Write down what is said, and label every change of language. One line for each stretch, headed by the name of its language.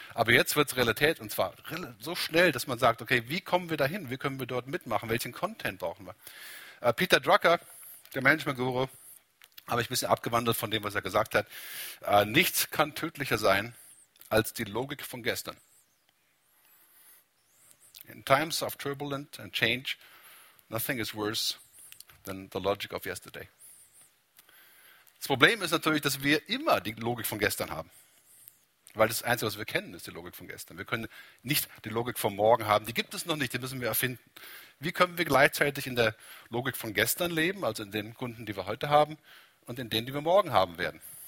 German: Aber jetzt wird es Realität und zwar so schnell, dass man sagt, okay, wie kommen wir dahin? Wie können wir dort mitmachen? Welchen Content brauchen wir? Peter Drucker, der Management-Guru, habe ich ein bisschen abgewandelt von dem, was er gesagt hat. Nichts kann tödlicher sein als die Logik von gestern.
English: In times of turbulence and change, nothing is worse than the logic of yesterday.
German: Das Problem ist natürlich, dass wir immer die Logik von gestern haben. Weil das Einzige, was wir kennen, ist die Logik von gestern. Wir können nicht die Logik von morgen haben. Die gibt es noch nicht, die müssen wir erfinden. Wie können wir gleichzeitig in der Logik von gestern leben, also in den Kunden, die wir heute haben, und in denen, die wir morgen haben werden.